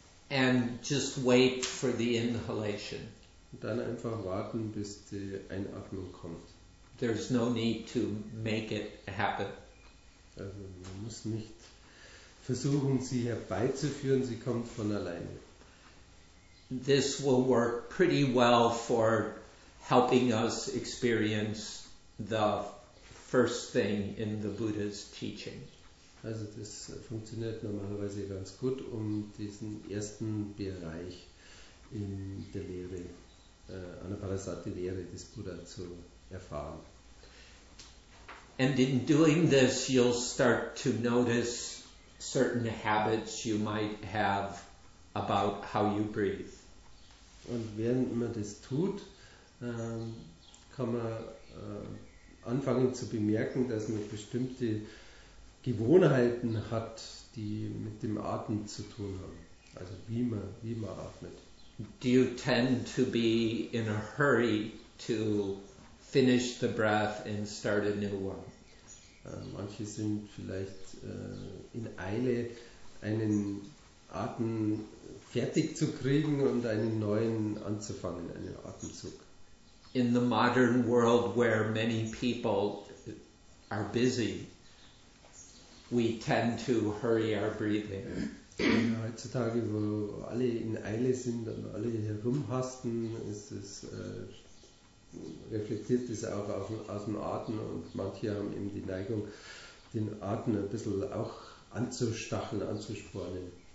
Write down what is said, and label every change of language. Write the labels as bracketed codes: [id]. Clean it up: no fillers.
[en] And just wait for the inhalation. [de] Und dann einfach warten, bis die Einatmung kommt. [en] There's no need to make it happen. [de] Also man muss nicht versuchen, sie herbeizuführen, sie kommt von alleine. [en] This will work pretty well for helping us experience the first thing in the Buddha's teaching. [de] Also das funktioniert normalerweise ganz gut, um diesen ersten Bereich in der Lehre, Anapanasati-Lehre des Buddha zu erfahren. [en] And in doing this, you'll start to notice certain habits you might have about how you breathe. [de] Und während man das tut, kann man anfangen zu bemerken, dass man bestimmte Gewohnheiten hat, die mit dem Atmen zu tun haben. Also wie man atmet. [en] Do you tend to be in a hurry to finish the breath and start a new one? [de] Manche sind vielleicht in Eile, einen Atem fertig zu kriegen und einen neuen anzufangen, einen Atemzug. [en] In the modern world where many people are busy, we tend to hurry our breathing. [de] Ja, heutzutage, wo alle in Eile sind und alle herumhasten, ist es reflektiert das auch aus dem Atem, und manche haben eben die Neigung, den Atem ein bisschen auch anzustacheln, anzuspornen.